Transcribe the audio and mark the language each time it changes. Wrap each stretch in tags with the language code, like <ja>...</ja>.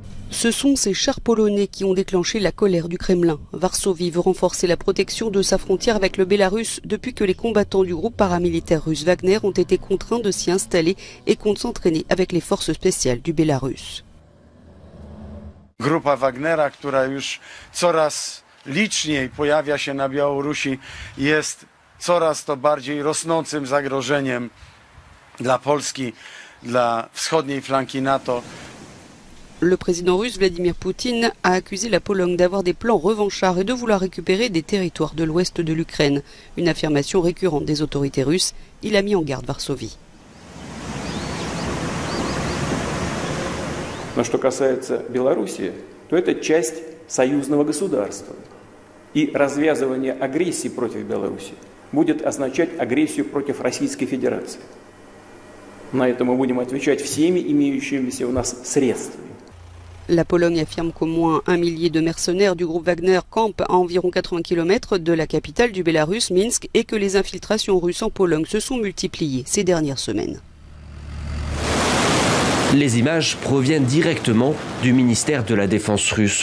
<fr>Ce sont ces chars polonais qui ont déclenché la colère du Kremlin. Varsovie veut renforcer la protection de sa frontière avec le Bélarus depuis que les combattants du groupe paramilitaire russe Wagner ont été contraints de s'y installer et comptent s'entraîner avec les forces spéciales du Bélarus.</fr> <pl>Grupa Wagnera, która już coraz liczniej pojawia się na Białorusi, jest coraz to bardziej rosnącym zagrożeniem dla Polski, dla wschodniej flanki NATO.</pl> <fr>Le président russe Vladimir Poutine a accusé la Pologne d'avoir des plans revanchards et de vouloir récupérer des territoires de l'ouest de l'Ukraine. Une affirmation récurrente des autorités russes, il a mis en garde Varsovie.</fr> <ru>Но что касается Белоруссии, то это часть союзного государства. И развязывание агрессии против Беларуси будет означать агрессию против Российской Федерации. На это мы будем отвечать всеми имеющимися у нас средствами.</ru> <fr>La Pologne affirme qu'au moins un millier de mercenaires du groupe Wagner campent à environ 80 km de la capitale du Bélarus, Minsk, et que les infiltrations russes en Pologne se sont multipliées ces dernières semaines. Les images proviennent directement du ministère de la Défense russe.</fr>